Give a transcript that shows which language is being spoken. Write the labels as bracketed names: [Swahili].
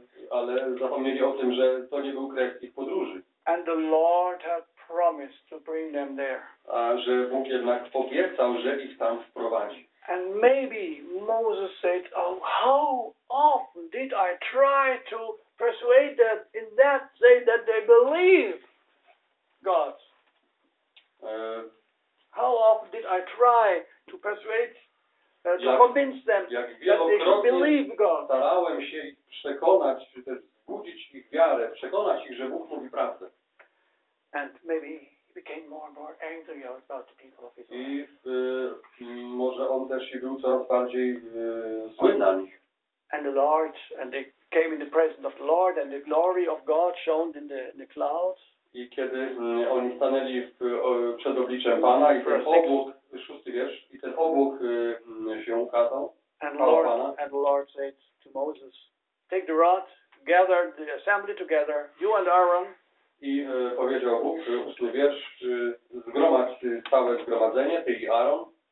[Polish] Ale zapomnieli o tym, że to nie był kres ich podróży. [English] And the Lord had promised to bring them there. [Polish] A że Bóg jednak obiecał, że ich tam wprowadzi. [English] And maybe Moses said, oh, how often did I try to persuade them in that day that they believe God? How often did I try to persuade, to convince them that they should believe God? [Polish] Starałem się przekonać, czy też budzić ich wiarę, przekonać ich, że Bóg mówi prawdę. [English] And maybe became more and more angry about the people of Israel. [Polish] I może on też się był coraz bardziej zły na nich. [English] And the Lord, and they came in the presence of the Lord, and the glory of God shone in the clouds. [Polish] I kiedy oni stanęli przed obliczem Pana i ten obłok, szósty wiersz, i ten obłok się ukazał, [English] And the Lord said to Moses, take the rod, gather the assembly together, you and Aaron. [Polish] I powiedział Bóg, szósty wiersz, zgromadź całe zgromadzenie, ty i Aaron.